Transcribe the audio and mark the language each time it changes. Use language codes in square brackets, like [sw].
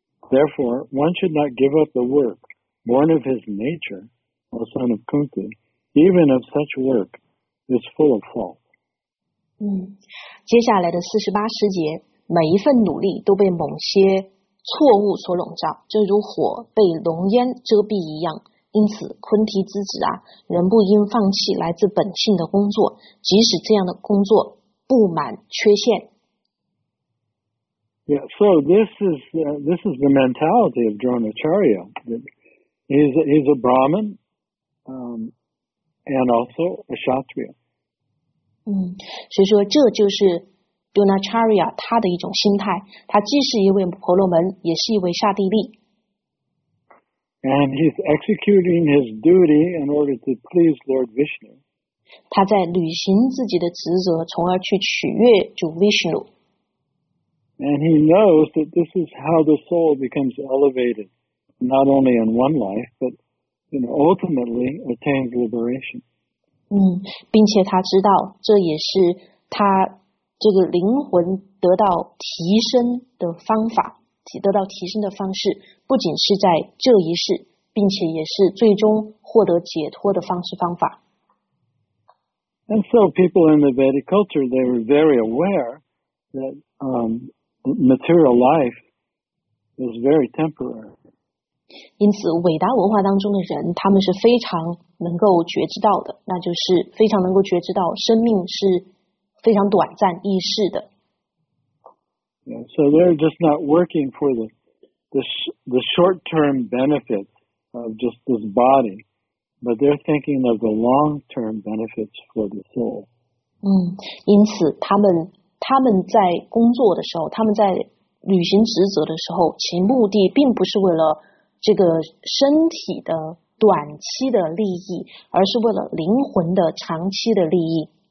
[en] Therefore, one should not give up the work born of his nature, O son of Kunti, even of such work is full of fault. [zh] 接下来的48世节，每一份努力都被某些错误所笼罩，正如火被浓烟遮蔽一样。因此，昆提之子啊，人不应放弃来自本性的工作，即使这样的工作布满缺陷。 [en] Yeah, so this is the mentality of Dronacharya. He's a Brahmin, and also a Kshatriya. [zh] 所以说这就是 Dronacharya 他的一种心态，他既是一位婆罗门，也是一位刹帝利。 [en] And he's executing his duty in order to please Lord Vishnu. [zh] 他在履行自己的职责，从而去取悦主 Vishnu。 [en] And he knows that this is how the soul becomes elevated, not only in one life, but ultimately attains liberation. [zh] 并且他知道，这也是他这个灵魂得到提升的方法，得到提升的方式，不仅是在这一世，并且也是最终获得解脱的方式方法。 [en] And so people in the Vedic culture, they were very aware that material life is very temporary. [zh] 因此，伟达文化当中的人，他们是非常能够觉知到的，那就是非常能够觉知到生命是非常短暂易逝的。 [en] Yeah, so they're just not working for the short-term benefits of just this body, but they're thinking of the long-term benefits for the soul. [zh] 因此他们在工作的时候，他们在履行职责的时候，其目的并不是为了这个身体的短期的利益，而是为了灵魂的长期的利益。